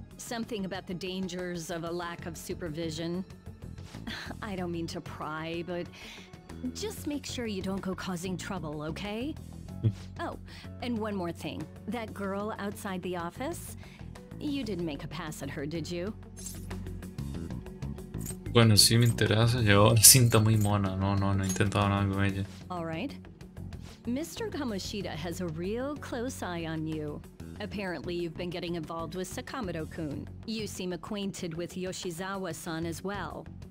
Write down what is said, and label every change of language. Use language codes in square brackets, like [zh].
[en] Something about the dangers of a lack of supervision. I don't mean to pry, but just make sure you don't go causing trouble, okay? Oh, and one more thing. That girl outside the office, you didn't make a pass at her, did you? [es] Bueno, sí me interesa, llevo la cinta muy mona. No, no, no he intentado nada con ella. [en] All right. Mr. Kamoshida has a real close eye on you. Apparently, you've been getting involved with Sakamoto-kun. You seem acquainted with Yoshizawa-san as well.